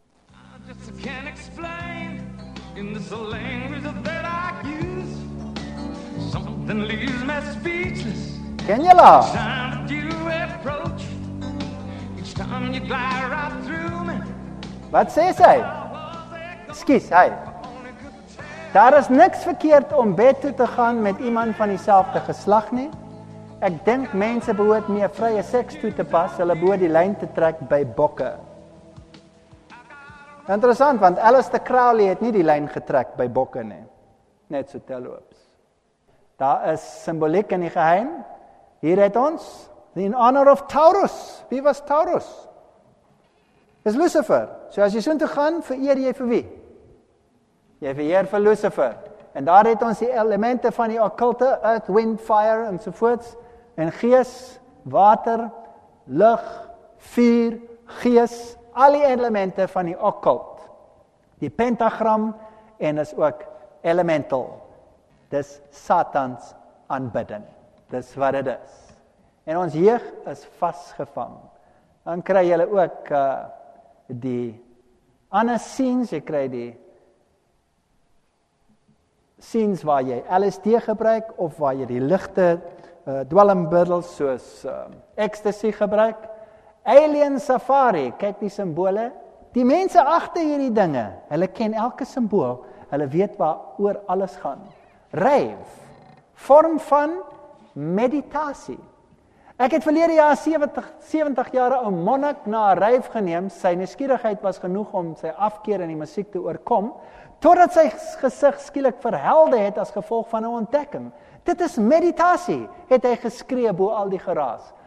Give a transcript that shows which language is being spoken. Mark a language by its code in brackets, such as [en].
[en] I just can't explain in this language that I use. Something leaves me speechless. [af] Ken jy haar? [en] Each time you approach, each time you glide right through me. [af] Wat sê sy? Skies, hy. Daar is niks verkeerd om bed toe te gaan met iemand van dieselfde geslag nie. Ek dink mense behoort meer vrye seks toe te pas, hulle behoort die lyn te trek by bokke. Interessant, want Aleister Crowley het nie die lyn getrek by bokke nie. Net so telloops. Daar is simboliek in die geheim. Hier het ons, [en] in honor of Taurus. [af] Wie was Taurus? Is Lucifer. So as jy so toe gaan, vereer jy vir wie? Jy vereer vir Lucifer. En daar het ons die elemente van die okkulte, [en] earth, wind, fire [af] en sovoorts, en gees, water, lig, vuur, gees, al die elemente van die okkult. Die pentagram en is ook elemental. Dis Satans aanbidding. Dis wat dit is. En ons jeug is vasgevang. Dan kry jy ook die ander scenes, jy kry die scenes waar jy LSD gebruik of waar jy die ligte dwelmmiddels soos ecstasy gebruik. Alien safari, kyk die simbole. Die mense agter hierdie dinge, hulle ken elke simbool, hulle weet waar oor alles gaan. Rave, vorm van meditasie. Ek het verlede jaar 70 jare ou monnik na 'n rave geneem. Sy nuuskierigheid was genoeg om sy afkeer in die musiek te oorkom, totdat sy gesig skielik verhelde het as gevolg van 'n ontdekking. Dit is meditasie, het hy geskree bo al die geraas.